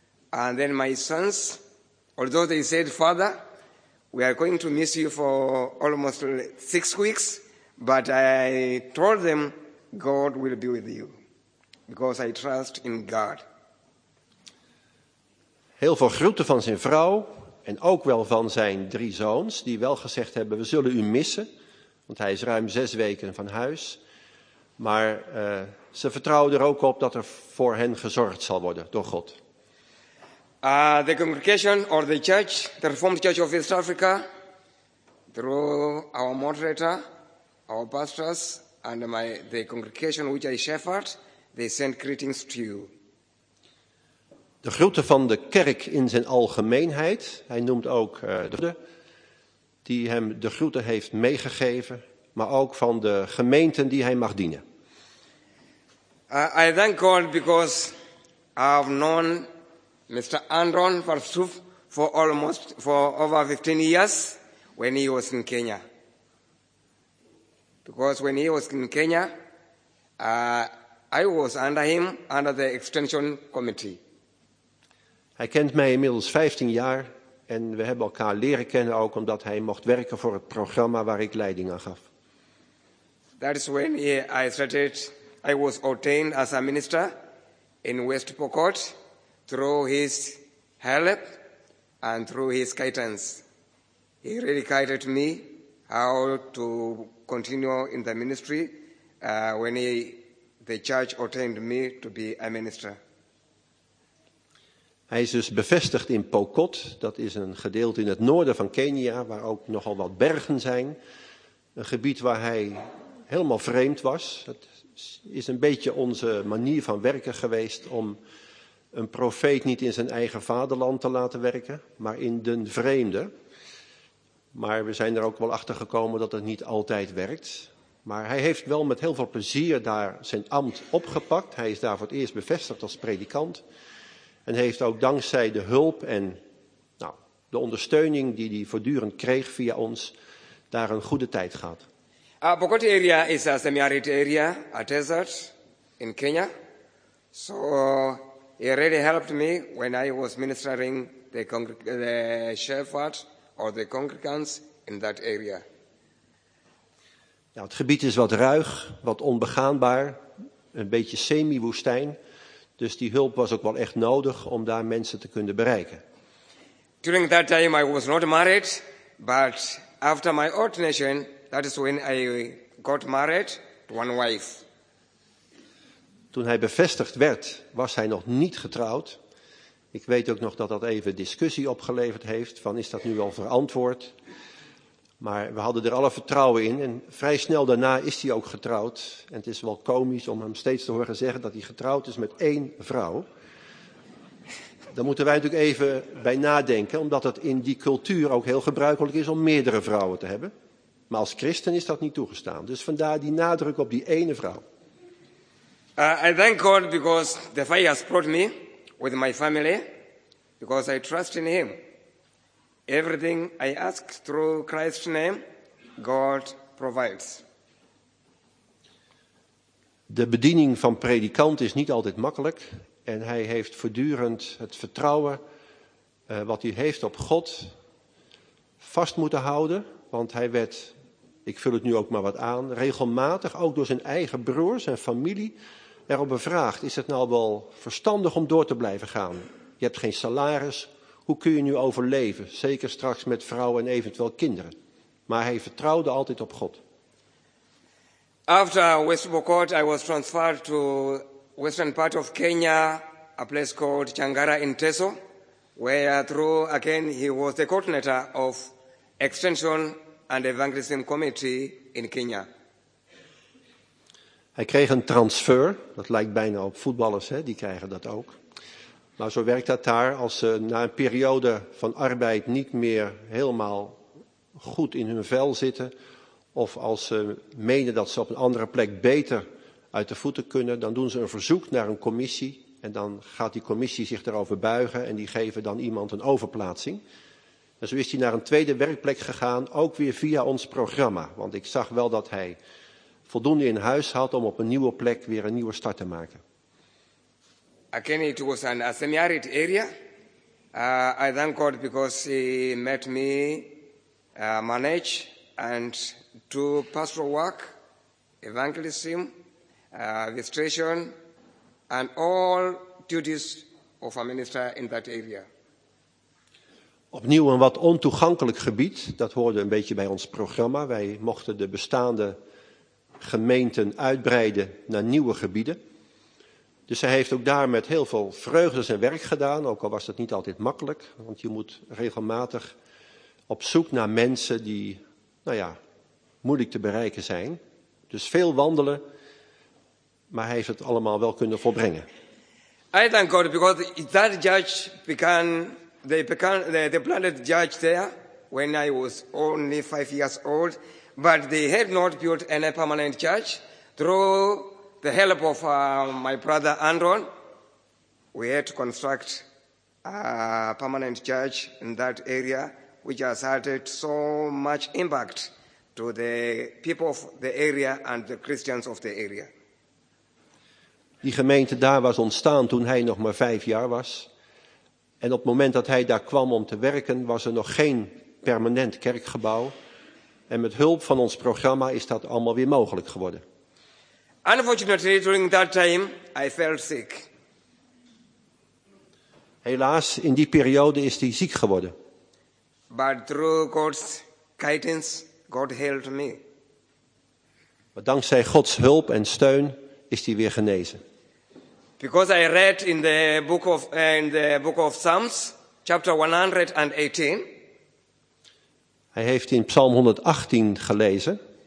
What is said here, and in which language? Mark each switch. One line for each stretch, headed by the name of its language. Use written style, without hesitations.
English: And then my sons, although they said, Father, we are going to miss you for almost 6 weeks. But I told them, God will be with you, because I trust in God.
Dutch: Heel veel groeten van zijn vrouw en ook wel van zijn drie zoons, die wel gezegd hebben, we zullen u missen, want hij is ruim 6 weken van huis. Maar ze vertrouwen er ook op dat er voor hen gezorgd zal worden door God.
English: The congregation or the church, the Reformed Church of East Africa, through our moderator, our pastors and the congregation which I shepherd, they send greetings to you.
Dutch: De groeten van de kerk in zijn algemeenheid, hij noemt ook de die hem de groeten heeft meegegeven, maar ook van de gemeenten die hij mag dienen.
English: I thank God because I have known Mr. Andron Farsouf for over 15 years when he was in Kenya. Because when he was in Kenya, I was under him, under the extension committee.
Dutch: Hij kent mij inmiddels 15 jaar en we hebben elkaar leren kennen ook omdat hij mocht werken voor het programma waar ik leiding aan gaf.
English: That is when I was ordained as a minister in West Pokot through his help and through his guidance. He really guided me how to continue in the ministry when the church ordained me to be a minister.
Dutch: Hij is dus bevestigd in Pokot, dat is een gedeelte in het noorden van Kenia waar ook nogal wat bergen zijn, een gebied waar hij helemaal vreemd was. Het is een beetje onze manier van werken geweest om een profeet niet in zijn eigen vaderland te laten werken, maar in de vreemde. Maar we zijn er ook wel achter gekomen dat het niet altijd werkt. Maar hij heeft wel met heel veel plezier daar zijn ambt opgepakt. Hij is daar voor het eerst bevestigd als predikant. En heeft ook dankzij de hulp en de ondersteuning die hij voortdurend kreeg via ons, daar een goede tijd gehad.
English: Pokot area is a semi-arid area, a desert in Kenya. So he really helped me when I was ministering the shepherd or the congregants in that area.
Dutch: Ja, het gebied is wat ruig, wat onbegaanbaar, een beetje semi-woestijn. Dus die hulp was ook wel echt nodig om daar mensen te kunnen bereiken.
English: During that time I was not married, but after my ordination, that is when I got married to one wife.
Dutch: Toen hij bevestigd werd, was hij nog niet getrouwd. Ik weet ook nog dat dat even discussie opgeleverd heeft, van is dat nu wel verantwoord? Maar we hadden er alle vertrouwen in en vrij snel daarna is hij ook getrouwd. En het is wel komisch om hem steeds te horen zeggen dat hij getrouwd is met één vrouw. Daar moeten wij natuurlijk even bij nadenken, omdat het in die cultuur ook heel gebruikelijk is om meerdere vrouwen te hebben. Maar als christen is dat niet toegestaan. Dus vandaar die nadruk op die ene vrouw.
English: I thank God because the fire has brought me with my family. Because I trust in him. Everything I ask through Christ's name, God provides.
Dutch: De bediening van predikant is niet altijd makkelijk. En hij heeft voortdurend het vertrouwen wat hij heeft op God vast moeten houden. Want hij werd, ik vul het nu ook maar wat aan, regelmatig ook door zijn eigen broers en familie erop bevraagd. Is het nou wel verstandig om door te blijven gaan? Je hebt geen salaris. Hoe kun je nu overleven? Zeker straks met vrouwen en eventueel kinderen. Maar hij vertrouwde altijd op God.
English: After West Pokot, I was transferred to western part of Kenya, a place called Changara in Teso, where through again he was the coordinator of extension and evangelism committee in Kenya.
Dutch: Hij kreeg een transfer. Dat lijkt bijna op voetballers, hè? Die krijgen dat ook. Maar zo werkt dat daar. Als ze na een periode van arbeid niet meer helemaal goed in hun vel zitten, of als ze menen dat ze op een andere plek beter uit de voeten kunnen, dan doen ze een verzoek naar een commissie. En dan gaat die commissie zich daarover buigen en die geven dan iemand een overplaatsing. En zo is hij naar een tweede werkplek gegaan, ook weer via ons programma. Want ik zag wel dat hij voldoende in huis had om op een nieuwe plek weer een nieuwe start te maken.
English: Again, it was a semi-arid area. I thank God because he made me manage and do pastoral work, evangelism, administration, and all duties of a minister in that area.
Dutch: Opnieuw een wat ontoegankelijk gebied. Dat hoorde een beetje bij ons programma. Wij mochten de bestaande gemeenten uitbreiden naar nieuwe gebieden. Dus hij heeft ook daar met heel veel vreugde zijn werk gedaan, ook al was dat niet altijd makkelijk. Want je moet regelmatig op zoek naar mensen die, moeilijk te bereiken zijn. Dus veel wandelen, maar hij heeft het allemaal wel kunnen volbrengen.
English: I thank God because that judge began, they planted the judge there when I was only 5 years old. But they had not built any permanent judge through the help of my brother Andron, we had to construct permanent church in that area, which has had so much impact to the people of the area and the Christians of the area.
Dutch: Die gemeente daar was ontstaan toen hij nog maar 5 jaar was. En op het moment dat hij daar kwam om te werken, was er nog geen permanent kerkgebouw. En met hulp van ons programma is dat allemaal weer mogelijk geworden.
English: Unfortunately, during that time, I fell sick.
Dutch: Helaas, in die periode is hij ziek geworden.
English: But through God's guidance, God healed me.
Dutch: Maar dankzij Gods hulp en steun is hij weer genezen.
English: Because I read in the book of Psalms, chapter 118.
Dutch: Hij heeft in Psalm 118 gelezen.